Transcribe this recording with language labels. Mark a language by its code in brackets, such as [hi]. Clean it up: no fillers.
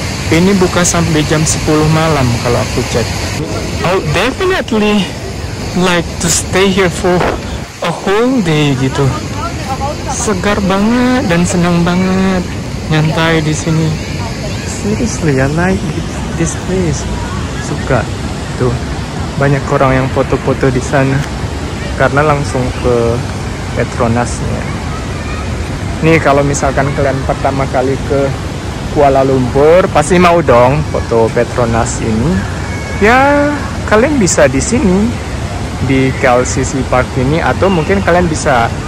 [id] Ini buka sampai jam 10 malam kalau aku cek. [en] I'll definitely like to stay here for a whole day gitu. [id] Segar banget dan senang banget nyantai di sini. [en] Seriously, I like this place. [id] Suka. Tuh, banyak orang yang foto-foto di sana karena langsung ke Petronasnya. Nih, kalau misalkan kalian pertama kali ke Kuala Lumpur pasti mau dong foto Petronas ini. Ya, kalian bisa di sini di KLCC Park ini atau mungkin kalian bisa